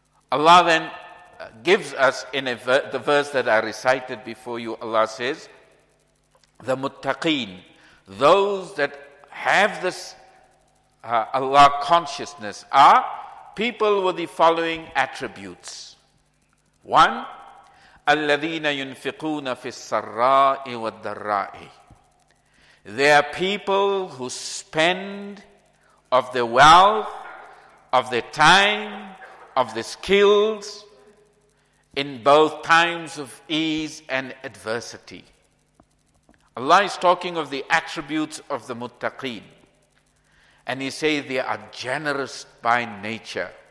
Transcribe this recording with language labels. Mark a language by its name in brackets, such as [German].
[English] Allah then gives us in the verse that I recited before you, Allah says, the muttaqeen, those that have this Allah consciousness, are people with the following attributes. [Arabic] One, الَّذِينَ يُنْفِقُونَ فِي السَّرَّاءِ وَالدَّرَّاءِ. [English] They are people who spend of their wealth, of their time, of their skills, in both times of ease and adversity. Allah is talking of the attributes of the muttaqeen. And He says they are generous by nature.